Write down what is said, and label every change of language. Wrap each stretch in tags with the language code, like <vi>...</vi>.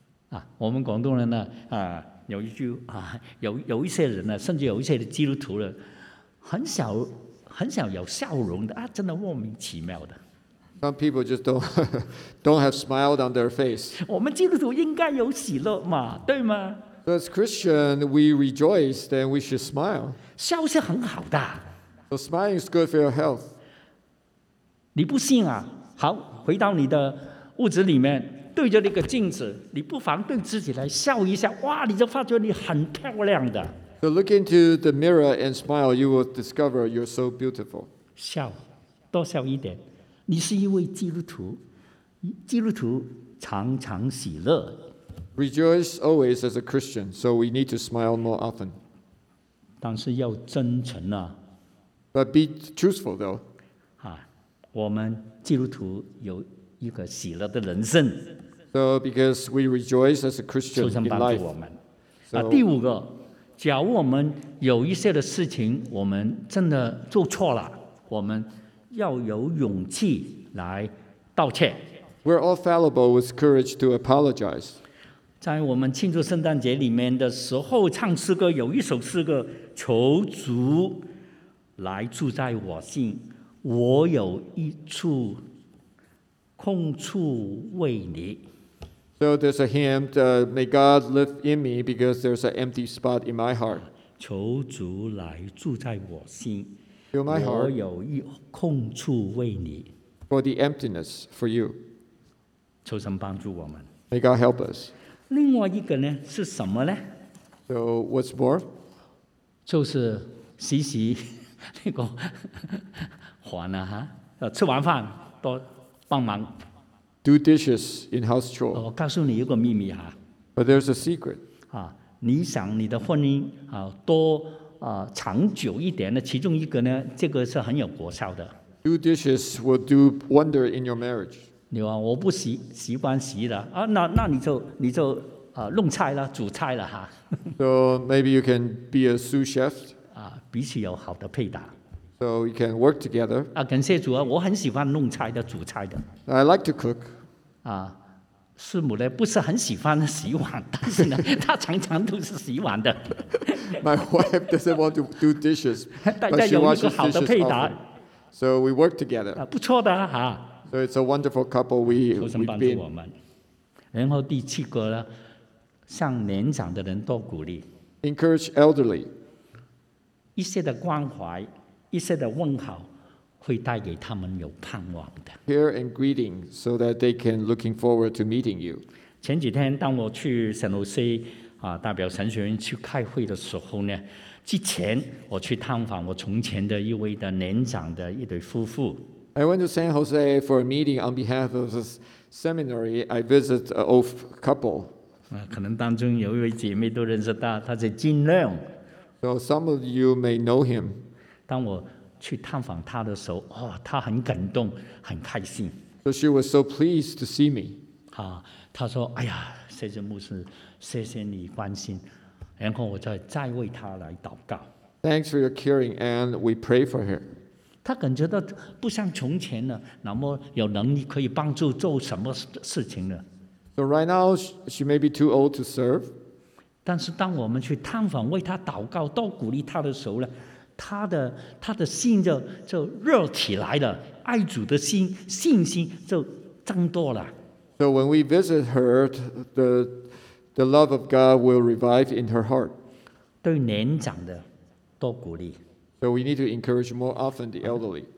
<zh>啊，我们广东人呢，啊，有一句啊，有一些人呢，甚至有一些的基督徒呢，很少有笑容的啊，真的莫名其妙的。</zh> <en>Some people just don't have smiled on their face.</en> <zh>我们基督徒应该有喜乐嘛，对吗</zh> <en>？As Christian, we rejoice, then we should smile.</en> <zh>笑是很好的。</zh> <en>So smiling is good for your health.</en> <zh>你不信啊？好，回到你的屋子里面，对着那个镜子，你不妨对自己来笑一下，哇，你就发觉你很漂亮的。</zh> <en>So look into the mirror and smile. You will discover you're so beautiful.</en> <zh>笑，多笑一点。你是一位基督徒，基督徒常常喜乐。</zh> <en>Rejoice always as a Christian, so we need to smile more often.</en> <zh>但是要真诚啊。</zh> <en>But be truthful, though.</en> <zh>啊，我们基督徒有一个喜乐的人生。</zh> <en>So because we rejoice as a Christian in life.</en> <zh>求神帮助我们。啊，第五个，假如我们有一些的事情，我们真的做错了，我们。要有勇气来道歉。</zh> <en>We're all fallible with courage to apologize.</en> <zh>在我们庆祝圣诞节里面的时候，唱诗歌有一首诗歌，求主来住在我心，我有一处空处为你。</zh> <en>So there's a hymn, May God live in me because there's an empty spot in my heart.</en> <zh>求主来住在我心。</zh> <en>Fill my heart</en> <zh>我有一空处为你</zh> <en>for the emptiness for you.</en> <zh>求神帮助我们</zh> <en>May God help us.</en> <zh>另外一个呢是什么呢</zh> <en>So what's more?</en> <zh>就是洗洗那个碗啊哈，吃完饭多帮忙</zh> <en>Do dishes in house chores.</en> <zh>我告诉你一个秘密哈</zh> <en>But there's a secret.</en> <zh>啊，你想你的婚姻啊多。长久一点的其中一个呢这个是很有果效的</zh> <en>Do dishes will do wonder in your marriage</en> <zh>你说我不习惯洗的、啊、那你就、弄菜了煮菜了哈</zh> <en>So maybe you can be a sous chef</en> <zh>彼此有好的配搭</zh> <en>So we can work together</en> <zh>感谢主啊我很喜欢弄菜的煮菜的</zh> <en>I like to cook</en> <zh>师母呢不是很喜欢洗碗但是呢她常常都是洗碗的</zh> <en>My wife doesn't want to do dishes, but she washes dishes often. So we work together.</en> <zh>不错的哈。</zh> <en>So it's a wonderful couple we've been.</en> <zh>然后第七个呢，向年长的人多鼓励。</zh> <en>Encourage elderly.</en> <zh>一些的关怀，一些的问好，会带给他们有盼望的。</zh> <en>Care and greeting so that they can looking forward to meeting you.</en> <zh>前几天当我去圣路西。代表神学院去开会的时候呢，之前我去探访我从前的一位的年长的一对夫妇。</zh> <en>I went to San Jose for a meeting on behalf of the seminary. I visit an old couple.</en> <zh>可能当中有一位姐妹都认识他，他叫金亮。</zh> <en>So some of you may know him.</en> <zh>当我去探访他的时候，他很感动，很开心。</zh> <en>So she was so pleased to see me.</en> <zh>他说：“哎呀，谢谢牧师。” 谢谢你关心，然后我再为他来祷告。</zh> <en>Thanks for your caring, and we pray for her.</en> <zh>他感觉到不像从前了，那么有能力可以帮助做什么事情了。</zh> <en>So right now she may be too old to serve.</en> <zh>但是当我们去探访、为他祷告、多鼓励他的时候呢，他的心就热起来了，爱主的心、信心就增多了。</zh> <en>So when we visit her, The love of God will revive in her heart.</en> <zh>对年长的多鼓励。</zh> <en>So we need to encourage more often the elderly.</en>